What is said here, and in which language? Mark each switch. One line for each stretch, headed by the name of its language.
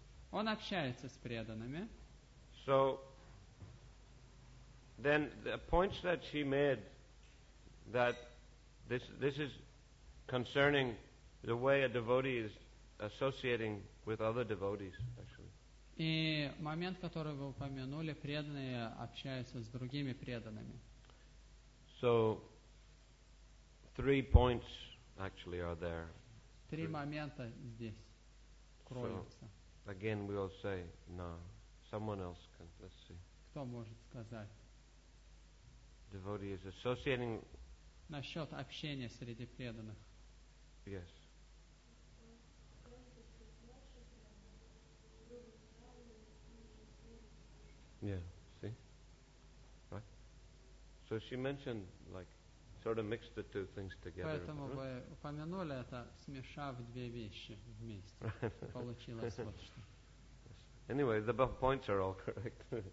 Russian: Он общается с преданными.
English: So then the points that she made that this is concerning the way a devotee is associating with other devotees, actually.
Russian: И момент, который вы упомянули, преданные общаются с другими преданными.
English: So, three points actually are there.
Russian: Три момента здесь кроются.
English: Again, we will say, no. Someone else can, let's see.
Russian: Кто может сказать?
English: Devotee is associating...
Russian: Насчет общения среди преданных.
English: Yes. Yeah, see? Right? So she mentioned, like, sort of mixed the two things together.
Russian: Поэтому вы упомянули это, смешав две вещи вместе. Получилось вот что.
English: Anyway, the points are all correct.